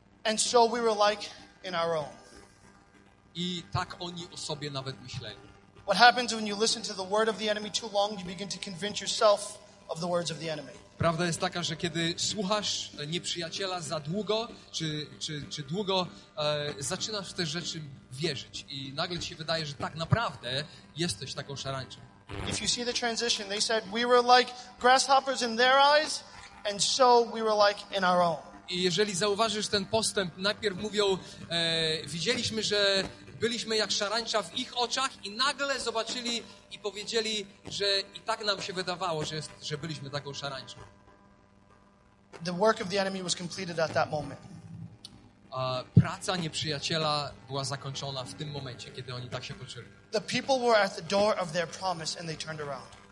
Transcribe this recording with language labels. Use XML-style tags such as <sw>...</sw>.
<en>And so we were like in our own.</en> <pl>I tak oni o sobie nawet myśleli.</pl> <en>What happens when you listen to the word of the enemy too long, you begin to convince yourself of the words of the enemy.</en> <pl>Prawda jest taka, że kiedy słuchasz nieprzyjaciela za długo, czy długo, zaczynasz w te rzeczy wierzyć i nagle ci się wydaje, że tak naprawdę jesteś taką szarańczą.</pl> <en>If you see the transition, they said we were like grasshoppers in their eyes, and so we were like in our own.</en> <pl>I jeżeli zauważysz ten postęp, najpierw mówią, widzieliśmy, że byliśmy jak szarańcza w ich oczach i nagle zobaczyli i powiedzieli, że i tak nam się wydawało, że byliśmy taką szarańczą.</pl> <en>The work of the enemy was completed at that moment.</en> <pl>Praca nieprzyjaciela była zakończona w tym momencie, kiedy oni tak się poczuli.</pl> <en>The people were at the door of their promise and they turned around.</en>